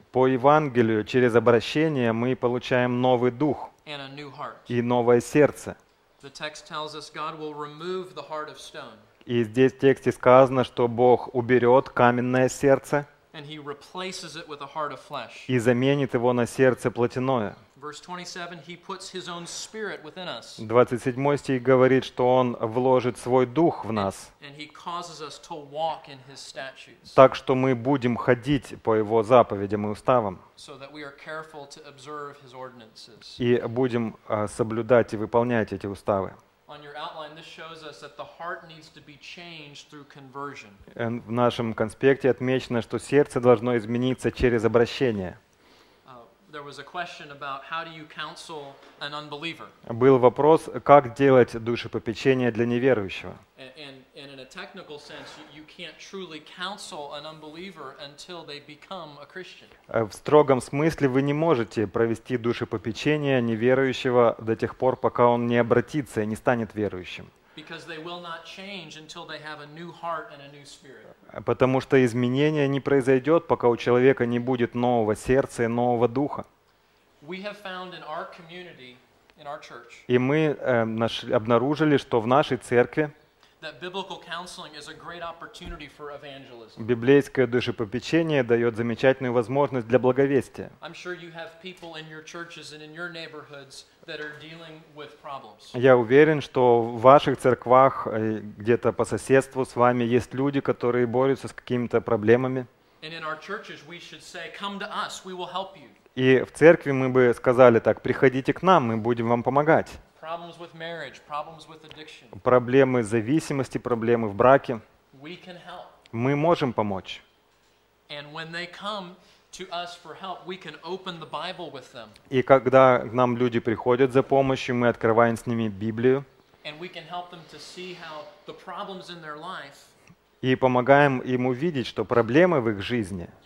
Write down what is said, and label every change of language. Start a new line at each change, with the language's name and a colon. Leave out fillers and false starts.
Russian: По Евангелию, через обращение, мы получаем новый дух и новое сердце.
English: The text tells us God will remove the heart of stone.
Russian: И здесь в тексте сказано, что Бог уберет каменное сердце
English: and he replaces it with a heart of flesh.
Russian: И заменит его на сердце плотяное.
English: Verse 27, he puts his own spirit within us.
Russian: 27 стих говорит, что он вложит свой дух в нас.
English: And he causes us to walk in his statutes.
Russian: Так что мы будем ходить по его заповедям и уставам.
English: So that we are careful to observe his ordinances.
Russian: И будем соблюдать и выполнять эти уставы.
English: On your outline, this shows us that the heart needs to be changed through conversion.
Russian: В нашем конспекте отмечено, что сердце должно измениться через обращение.
English: There was a question about how do you counsel an unbeliever.
Russian: Был вопрос, как делать душепопечение для неверующего.
English: And in a technical sense, you can't truly counsel an unbeliever until they become a Christian.
Russian: В строгом смысле вы не можете провести душепопечение неверующего до тех пор, пока он не обратится и не станет верующим.
English: Because they will not change until they have a new heart and a new spirit.
Russian: Потому что изменение не произойдет, пока у человека не будет нового сердца и нового духа.
English: We have found in our community, in our church.
Russian: И мы обнаружили, что в нашей церкви
English: that biblical counseling is a great opportunity for evangelism.
Russian: Библейское душепопечение дает замечательную возможность для благовестия.
English: I'm sure you have people in your churches and in your neighborhoods that are dealing with problems.
Russian: Я уверен, что в ваших церквах где-то по соседству с вами есть люди, которые борются с какими-то проблемами.
English: And in our churches we should say, come to us, we will help you.
Russian: И в церкви мы бы сказали так: приходите к нам, мы будем вам помогать.
English: Problems with marriage, problems with addiction.
Russian: Проблемы зависимости, проблемы в браке.
English: We can help.
Russian: Мы можем помочь.
English: And when they come to us for help, we can open the Bible with them.
Russian: И когда к нам люди приходят за помощью, мы открываем с ними Библию.
English: And we can help them to see how the problems in their life.
Russian: И помогаем им увидеть, что проблемы в их жизни